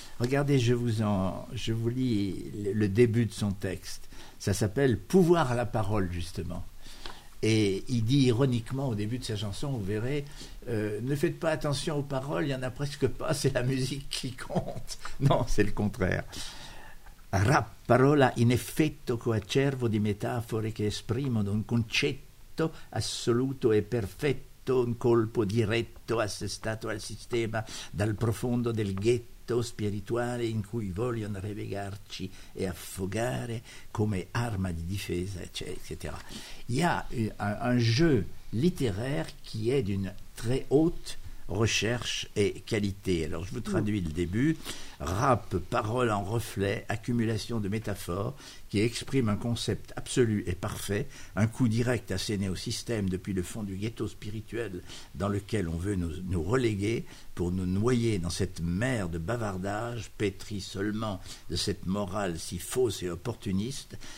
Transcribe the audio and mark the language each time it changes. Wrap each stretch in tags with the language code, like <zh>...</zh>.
<fr>Regardez, je vous lis le début de son texte. Ça s'appelle « Pouvoir à la parole », justement. Et il dit ironiquement au début de sa chanson, vous verrez, « Ne faites pas attention aux paroles, il n'y en a presque pas, c'est la musique qui compte. » Non, c'est le contraire.</fr> <it>Rap, parola in effetto coacervo di metafore che esprimono un concetto assoluto e perfetto, un colpo diretto assestato al sistema dal profondo del ghetto spirituale in cui vogliono relegarci e affogare come arma di difesa, eccetera.</it> <fr>Il y a un jeu littéraire qui est d'une très haute recherche et qualité. Alors, je vous traduis le début. Rap, parole en reflet, accumulation de métaphores qui expriment un concept absolu et parfait, un coup direct asséné au système depuis le fond du ghetto spirituel dans lequel on veut nous reléguer pour nous noyer dans cette mer de bavardage pétrie seulement de cette morale si fausse et opportuniste</fr>